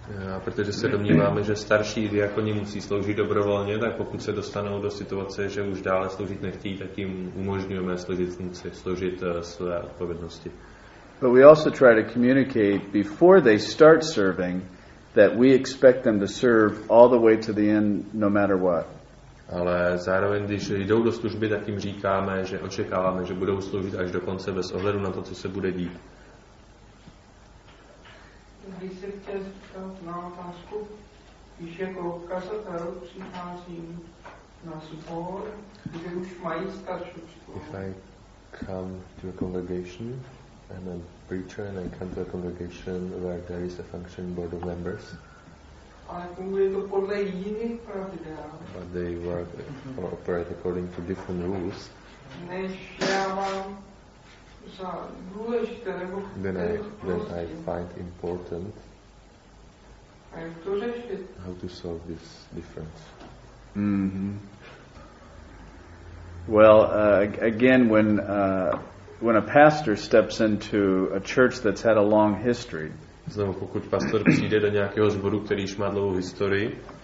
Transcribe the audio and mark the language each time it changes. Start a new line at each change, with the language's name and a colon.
Czech: Yeah, protože se domníváme, že starší diakoni musí sloužit dobrovolně, tak pokud se dostanou do situace, že už dále sloužit nechtí, tak jim umožňujeme sloužit své odpovědnosti.
English: But we also try to communicate before they start serving that we expect them to serve all the way to the end, no matter what.
Czech: Ale zároveň, když jdou do služby, tak jim říkáme, že očekáváme, že budou sloužit až do konce bez ohledu na to, co se bude dít. Když se chtěl zeptat na otázku, když jako kazatelů přichází na sbor, že už mají staršičku.
English: If I come to a congregation, I'm a preacher and I come to a congregation where there is a functioning board of members.
Czech: Ale funguje to podle jiných pravidel.
English: But they work or operate according to different rules.
Czech: Než já mám za důležité nebo
English: then I find important How to solve this difference? Mm-hmm. Well, again, when a pastor steps into a church that's had a long history,
Czech: znovu, pokud pastor přijde do nějakého zboru, který už má dlouhou historii,